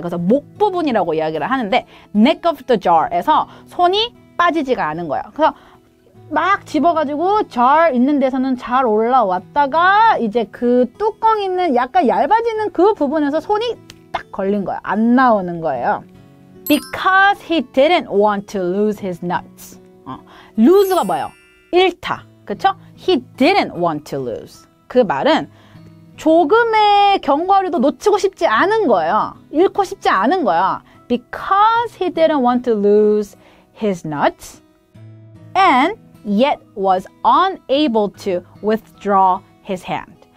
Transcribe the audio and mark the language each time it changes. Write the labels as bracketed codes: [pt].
[ko] 그래서 목 부분이라고 이야기를 하는데 neck of the jar에서 손이 빠지지가 않은 거예요. 그래서 막 집어가지고 jar 있는 데서는 잘 올라왔다가 이제 그 뚜껑 있는 약간 얇아지는 그 부분에서 손이 딱 걸린 거예요. 안 나오는 거예요. [en] Because he didn't want to lose his nuts. [ko] 어. Lose가 뭐예요? 잃다. 그쵸? [en] He didn't want to lose. [ko] 그 말은 조금의 견과류도 놓치고 싶지 않은 거예요. 잃고 싶지 않은 거야. [en] Because he didn't want to lose his nuts and yet was unable to withdraw his hand.